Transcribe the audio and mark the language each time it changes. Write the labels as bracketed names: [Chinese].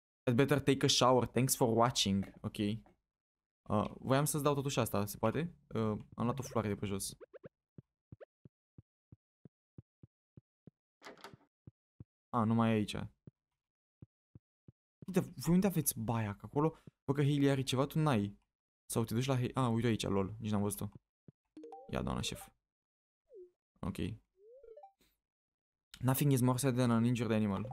[English] I'd better take a shower, thanks for watching. Ok. [Romanian] Voiam să-ți dau totuși asta, se poate? Am luat o floare de pe jos. Numai aici. Uite, voi unde aveți baia? Că acolo, bă, că Hailey are ceva, tu n-ai. Sau te duci la Hailey? Uite aici, lol, nici n-am văzut-o. Ia, doamna șef. Ok. [English] Nothing is more sad than an injured animal.